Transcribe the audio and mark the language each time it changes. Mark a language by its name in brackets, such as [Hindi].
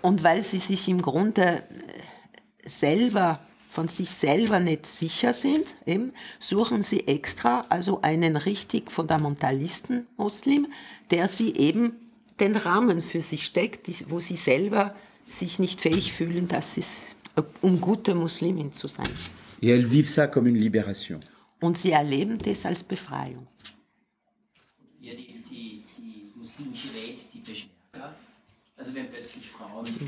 [German] Und weil sie sich im Grunde selber von sich selber nicht sicher sind, eben, suchen sie extra also einen richtig fundamentalisten Muslim, der sie eben den Rahmen für sich steckt, wo sie selber sich nicht fähig fühlen, gute Muslimin zu sein. [French] Et elles vivent ça comme une libération. [German] Und sie erleben das als Befreiung. Ja, die muslimische Welt, die Beschwerker, also wenn plötzlich Frauen